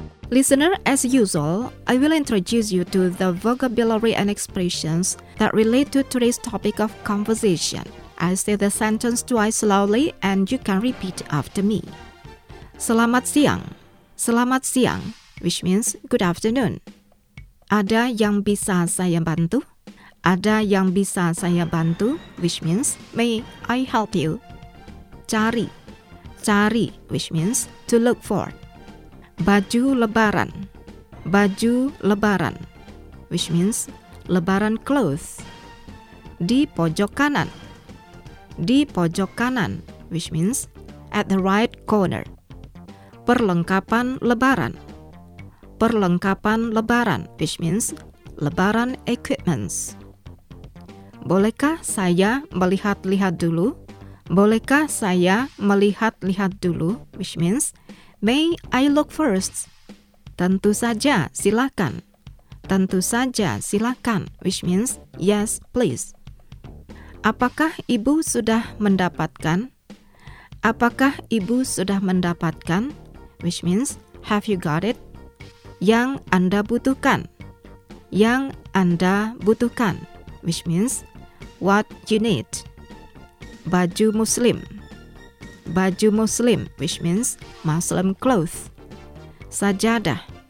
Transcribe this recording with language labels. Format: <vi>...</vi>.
<en>Listener, as usual, I will introduce you to the vocabulary and expressions that relate to today's topic of conversation. I say the sentence twice slowly and you can repeat after me.</en> <id>Selamat siang. Selamat siang,</id> <en>which means good afternoon.</en> <id>Ada yang bisa saya bantu? Ada yang bisa saya bantu,</id> <en>which means may I help you?</en> <id>Cari. Cari,</id> <en>which means to look for.</en> <id>Baju lebaran. Baju lebaran,</id> <en>which means lebaran clothes.</en> <id>Di pojok kanan. Di pojok kanan,</id> <en>which means at the right corner.</en> <id>Perlengkapan lebaran. Perlengkapan lebaran,</id> <en>which means lebaran equipments.</en> <id>Bolehkah saya melihat-lihat dulu? Bolehkah saya melihat-lihat dulu,</id> <en>which means may I look first?</en> <id>Tentu saja, silakan. Tentu saja, silakan,</id> <en>which means yes, please.</en> <id>Apakah ibu sudah mendapatkan? Apakah ibu sudah mendapatkan?</id> <en>Which means have you got it?</en> <id>Yang Anda butuhkan. Yang Anda butuhkan,</id> <en>which means what you need.</en> <id>Baju muslim. Baju muslim,</id> <en>which means Muslim clothes.</en> <id>Sajadah.</id>